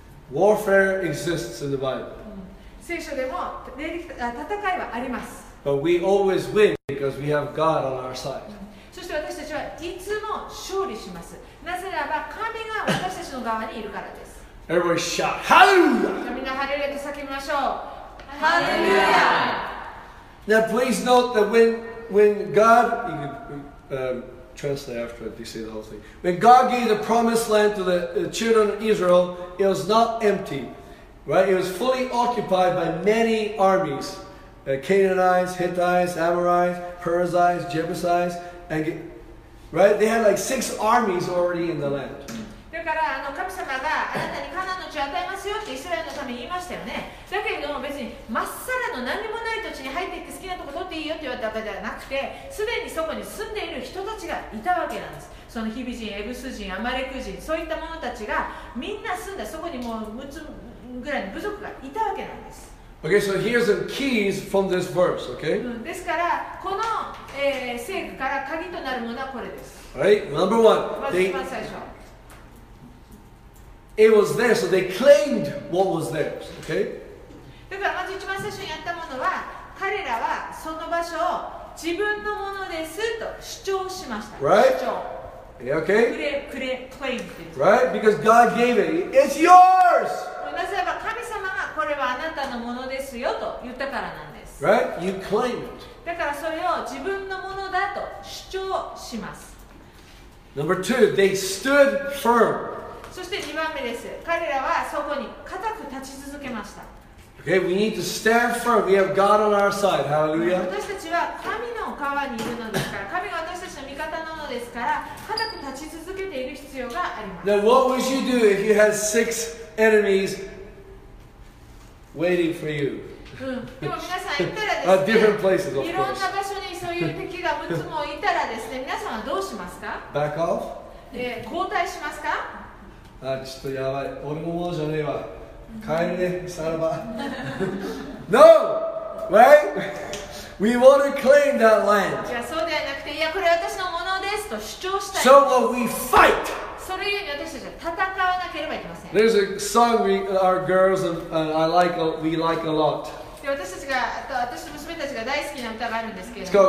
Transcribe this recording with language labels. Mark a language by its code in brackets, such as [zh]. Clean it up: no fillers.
[en] Warfare exists in the Bible. But we always win because we have God on our side. [ja] そして私たちはいつも勝利します。なぜならば神が私たちの側にいるからです。 [en] Everybody shout hallelujah! [ja] みんなハレルヤと叫びましょう。ハレルヤ [en] Now please note that when God, you can, translate after if you say the whole thing. When God gave the promised land to the children of Israel, it was not empty, right? It was fully occupied by many armies. Canaanites, Hittites, Amorites, Perizzites, Jebusites,And get, right? They had like six armies already in the land. [ja] だから、あの神様があなたにカナンの地を与えますよってイスラエルのために言いましたよね。だけれども別にまっさらの何もない土地に入っていって好きなとこ取っていいよって言われたわけではなくて、すでにそこに住んでいる人たちがいたわけなんです。そのヒビ人、エブス人、アマレク人、そういった者たちがみんな住んだそこにもう6つぐらいの部族がいたわけなんです。 [en] Okay, so here's the keys from this verse, okay? [ja] ですから、この、聖句から鍵となるものはこれです。 [en] Right? Number one, [ja] they, まず最初。 [en] It was there, so they claimed what was theirs, okay? [ja] だからまず一番最初にやったものは、彼らはその場所を自分のものですと主張しました。 [en] Right? [ja] 主張。 [en] Yeah, okay? [ja] くれ、くれ、claim って言 [en] う。Right? Because God gave it. It's yours! [ja] なぜならば神様がこれはあなたのものですよと言ったからなんです。 [en] Right? You claim it. [ja] だからそれを自分のものだと主張します。 [en] Number two, they stood firm. [ja] そして2番目です。彼らはそこに固く立ち続けました。 [en] Okay, we need to stand firm. We have God on our side. Hallelujah. [ja] 私たちは神の側にいるのですから、神が私たちの味方なのですから、固く立ち続けている必要があります。 [en] Now, what would you do if you had six enemies waiting for you? At different places, of course. [ja] いろんな場所にそういう敵が6つもいたらですね、皆さんはどうしますか? [en] Back off? [ja] 交代しますか? あ、ちょっとやばい。俺もものじゃねえわ。帰れね、さらば。 [en] No! Right? We want to claim that land. [ja] いや、そうではなくて、いや、これ私のものですと主張したい。 [en] So what we fight! [ja] それゆえに私たちは戦わなければいけません。 [en] There's a song we, our girls and, and I like, we like a lot. [ja] で、私たちが、私の娘たちが大好きな歌があるんですけれども